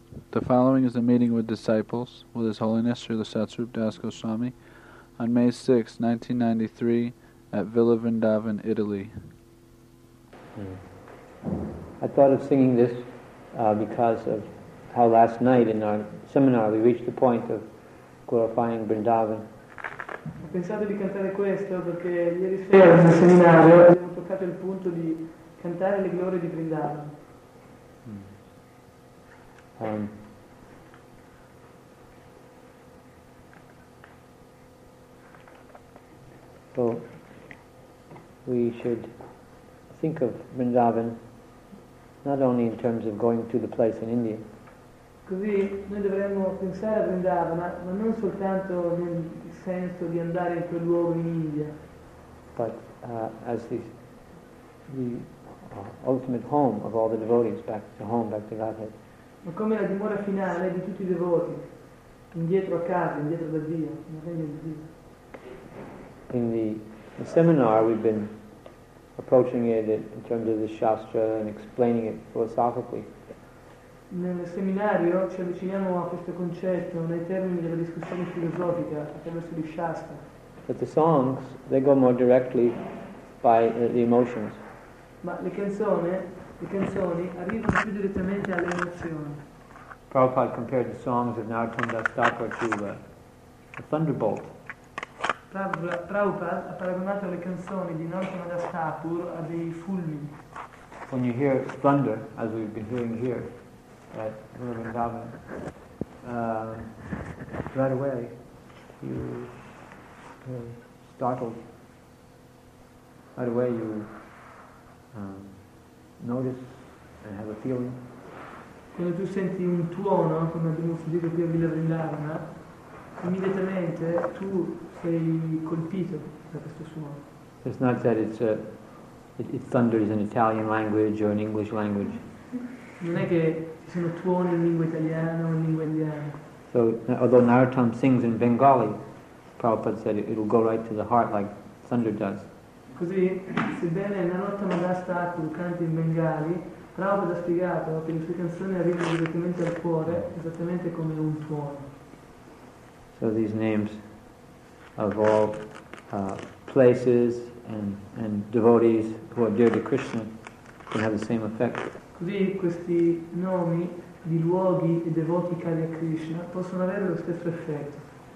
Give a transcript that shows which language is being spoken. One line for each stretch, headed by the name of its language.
English: The following is a meeting with disciples with His Holiness Srila Satsarup Das Goswami on May 6, 1993 at Villa Vrindavan, Italy. I thought of singing this because of how last night in our seminar we reached the point of glorifying Vrindavan.
Italian: Ho pensato di cantare questo perché ieri sera nel seminario abbiamo toccato il punto di cantare le glorie di Vrindavan.
English: So we should think of Vrindavan not only in terms of going to the place in India.
Italian: Così noi dovremmo pensare a Vrindavan, ma non soltanto nel senso di andare in quel luogo in India.
English: But as the ultimate home of all the devotees, back to home, back to Godhead.
Italian: Ma come la dimora finale di tutti i devoti, indietro a casa, indietro da Dio, nel regno di Dio.
English: In the seminar we've been approaching it in terms of the Shastra and explaining it philosophically.
Italian: Nel seminario ci avviciniamo a questo concetto nei termini della discussione filosofica attraverso il Shastra.
English: But the songs, they go more directly by the emotions.
Italian: Ma le canzoni arrivano più direttamente alle emozioni.
English: Prabhupada compared the songs of Narottam Das Thakur to a thunderbolt.
Italian: Prabhupada ha paragonato le canzoni di Narottam Das Thakur a dei fulmini.
English: When you hear thunder, as we've been hearing here at Villa Vrindavan, right away you're startled. Right away you notice and have a feeling.
Italian: Quando tu senti un tuono, come abbiamo sentito qui a Villa Vrindavan, immediatamente tu sei colpito da questo suono.
English: It's not that it thunders in Italian language or in English language.
Italian: Non è che ci sono tuoni in lingua italiana o in lingua indiana.
English: So, although Narottam sings in Bengali, Prabhupada said it'll go right to the heart like thunder does.
Italian: Così, sebbene Narottam Das Thakur canti in Bengali, Prabhupada ha spiegato che le sue canzoni arrivano direttamente al cuore, esattamente come un tuono.
English: So these names of all places and devotees who are dear to Krishna can have the same effect.
Italian: Così questi nomi di luoghi e devoti cari a Krishna possono avere lo stesso effetto.